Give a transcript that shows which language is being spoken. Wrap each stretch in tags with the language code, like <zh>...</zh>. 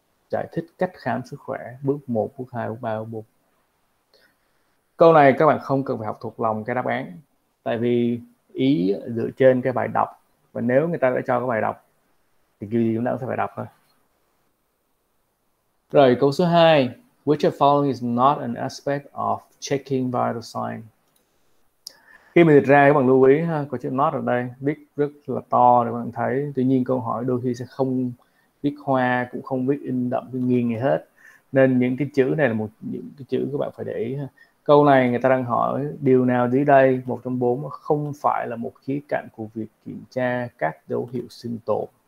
<vi>Giải thích cách khám sức khỏe, bước 1, bước 2, bước 3, bước 4. Câu này các bạn không cần phải học thuộc lòng cái đáp án, tại vì ý dựa trên cái bài đọc. Và nếu người ta đã cho cái bài đọc thì kiểu gì chúng ta cũng sẽ phải đọc thôi. Rồi câu số 2.</vi> <en>Which of the following is not an aspect of checking vital signs?</en> <vi>Khi mình dịch ra các bạn lưu ý ha, có chữ not ở đây viết rất là to để các bạn thấy. Tuy nhiên câu hỏi đôi khi sẽ không viết hoa, cũng không viết in đậm viết nghiêng gì hết, nên những cái chữ này là một những cái chữ các bạn phải để ý ha. Câu này người ta đang hỏi điều nào dưới đây, một trong bốn không phải là một khía cạnh của việc kiểm tra các dấu hiệu sinh tồn.</vi>